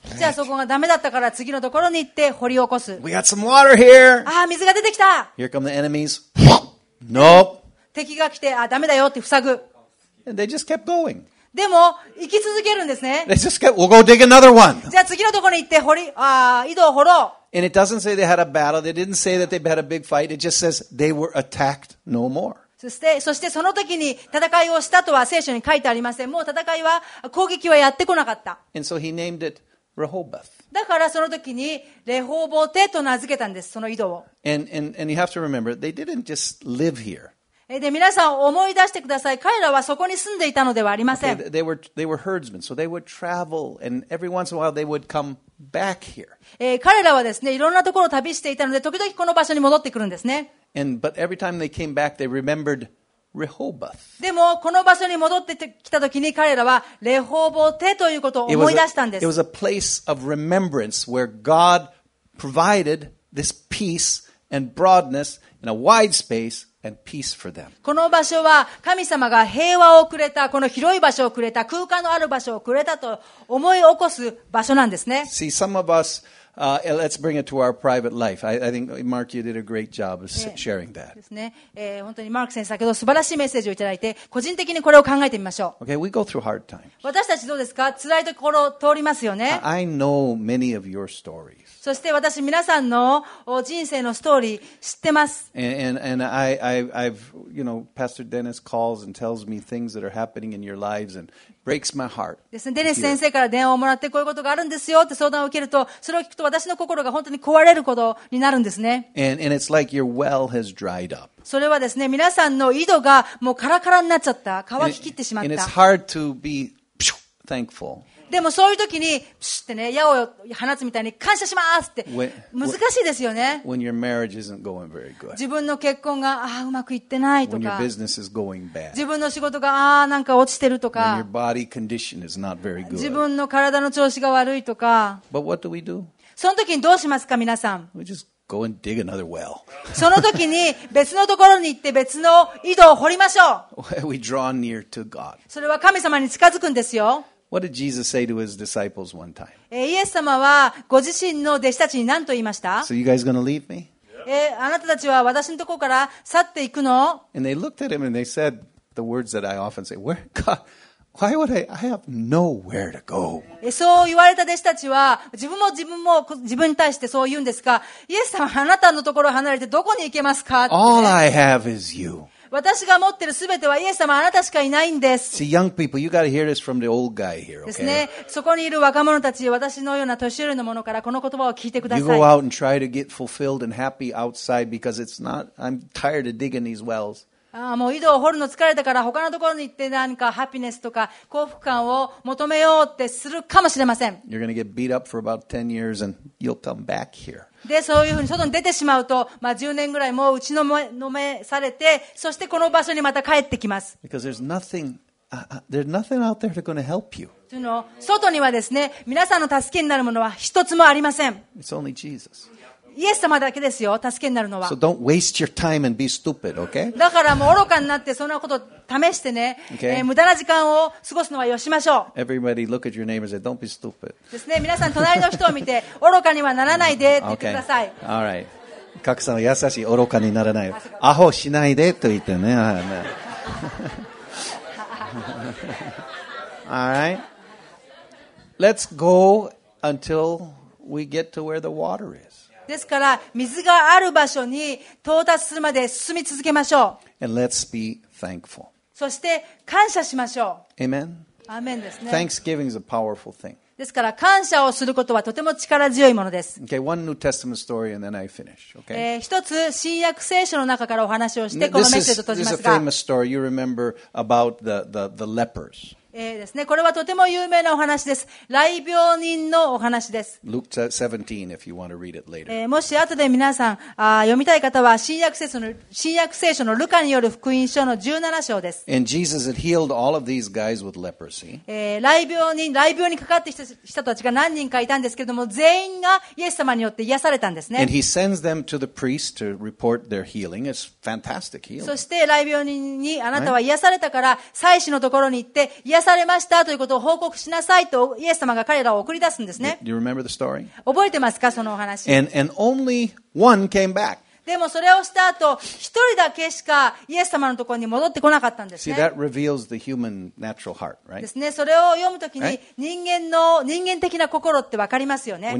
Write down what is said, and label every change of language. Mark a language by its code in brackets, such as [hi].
[ja] じゃあそこがダメだったから次のところに行って掘り起こす。 [en] We got some water here. [ja] 水が出てきた。 [en] Here come the enemies. Nope. [ja] 敵が来てダメだよって塞ぐ。 [en] And they just kept going. [ja] でも行き続けるんですね。 [en] Let's just get, we'll go dig another one. [ja] じゃあ次のところに行って掘り、井戸を掘ろう。 [en] And it doesn't say they had a battle. They didn't say that they had a big fight. It just says they were attacked no more. [ja] そしてその時に戦いをしたとは聖書に書いてありません。もう戦いは攻撃はやってこなかった。 [en] And so he named it Rehoboth. [ja] だからその時にレホボテと名付けたんです。その井戸を。 [en] And you have to remember, they didn't just live here. [ja] で皆さん思い出してください。彼らはそこに住んでいたのではありません。 [en] Okay, they were herdsmen, so they would travel, and every once in a while they would come back here. [ja] 彼らはですね、いろんなところを旅していたので、時々この場所に戻ってくるんですね。 [en] But every time they came back, they remembered Rehoboth. [ja] でもこの場所に戻ってきた時に彼らはレホボテということを思い出したんです。 [en] It was a place of remembrance where God provided this peace and broadness in a wide space. And peace for them. [ja] この場所は神様が平和をくれた、この広い場所をくれた、空間のある場所をくれたと思い起こす場所なんですね。 [en] See, some of us, let's bring it to our private life. I think Mark, you did a great job of sharing that. [ja] ですね。本当にマーク先生、先ほど素晴らしいメッセージをいただいて、個人的にこれを考えてみましょう。 [en] Okay, we go through hard times. [ja] 私たちどうですか？辛いところ通りますよね。 [en] I know many of your stories. [ja] そして私皆さんの人生のストーリー知ってます。 [en] And I've you know Pastor Dennis calls and tells me things that are happening in your lives and breaks my heart. [ja] ですね、デニス先生から電話をもらってこういうことがあるんですよって相談を受けると、それを聞くと私の心が本当に壊れることになるんですね。 [en] And it's like your well has dried up. [ja] それはですね、皆さんの井戸がもうカラカラになっちゃった、乾ききってしまった。 [en] And it's hard to be thankful. [ja] でもそういう時にプシュってね矢を放つみたいに感謝しますって難しいですよね。 [en] When your marriage isn't going very good. [ja] 自分の結婚がああうまくいってないとか、 [en] When your business is going bad. [ja] 自分の仕事がああなんか落ちてるとか、 [en] When your body condition is not very good. [ja] 自分の体の調子が悪いとか。 [en] But what do we do? [ja] その時にどうしますか皆さん。 [en] We just go and dig another well. [ja] その時に別のところに行って別の井戸を掘りましょう。 [en] We draw near to God. [ja] それは神様に近づくんですよ。 [en] What did Jesus say to his disciples one time? [ja] イエス様はご自身の弟子たちに何と言いました? [en] So you guys gonna leave me? [ja] あなたたちは私のところから去っていくの? [en] And they looked at him and they said the words that I often say, Where God? Why would I have nowhere to go? [ja] そう言われた弟子たちは自分も自分に対してそう言うんですが、イエス様はあなたのところを離れてどこに行けますか? [en] All I have is you. [ja] 私が持ってるすべてはイエス様あなたしかいないんです。 [en] See, young people, you gotta hear this from the old guy here, okay? [ja] ですね。そこにいる若者たち、私のような年寄りのものからこの言葉を聞いてください。 [en] You go out and try to get fulfilled and happy outside because it's not, I'm tired of digging these wells. [ja] ああもう井戸を掘るの疲れたから他のところに行って何かハピネスとか幸福感を求めようってするかもしれません。 [en] You're gonna get beat up for about 10 years and you'll come back here. [ja] で、そういうふうに外に出てしまうと、まあ、10年ぐらいもう打ちのめされて、そしてこの場所にまた帰ってきます。 [en] Because there's nothing out there that's gonna help you. [ja] というの、外にはですね、皆さんの助けになるものは一つもありません。 [en] It's only Jesus. [ja] イエス様だけですよ、助けになるのは。 [en] So don't waste your time and be stupid, okay? [ja] だからもう愚かになってそんなこと試してね、 [en] okay. [ja] 無駄な時間を過ごすのはよしましょう。 [en] Everybody look at your neighbor and say, don't be stupid. [ja] ですね、皆さん隣の人を見て、愚かにはならないでって言ってください。 [en] Okay. All right. [ja] 賀来さんは優しい、愚かにならない。アホしないでと言ってね。 [en] All right.Let's go until we get to where the water is. [ja] ですから水がある場所に到達するまで進み続けましょう。 [en] And let's be thankful. [ja] そして感謝しましょう。 [en] Amen. [ja] Amen ですね。 [en] Thanksgiving is a powerful thing. [ja] ですから感謝をすることはとても力強いものです。 [en] Okay, one New Testament story and then I finish. Okay. [ja] 一つ新約聖書の中からお話をしてこのメッセージを閉じますが。 [en] This is a famous story. You remember about the lepers. [ja] ですね、これはとても有名なお話です。雷病人のお話です。 [en] Luke 17, if you want to read it later. [ja] もし後で皆さん読みたい方は新約聖書のルカによる福音書の17章です。 [en] And Jesus had healed all of these guys with leprosy. [ja] 雷病にかかってきた人たちが何人かいたんですけれども、全員がイエス様によって癒されたんですね。 [en] And he sends them to the priest to report their healing. It's fantastic healing. [ja] そして雷病人にあなたは癒されたから、 [en] right? [ja] 祭司のところに行って癒されましたということを報告しなさいとイエス様が彼らを送り出すんですね。 [en] Do you remember the story? [ja] 覚えてますかそのお話。 [en] And only one came back. [ja] でもそれをした後一人だけしかイエス様のところに戻ってこなかったんですね。 [en] See, that reveals the human natural heart, right? [ja] ですね、それを読むときに人間的な心ってわかりますよね。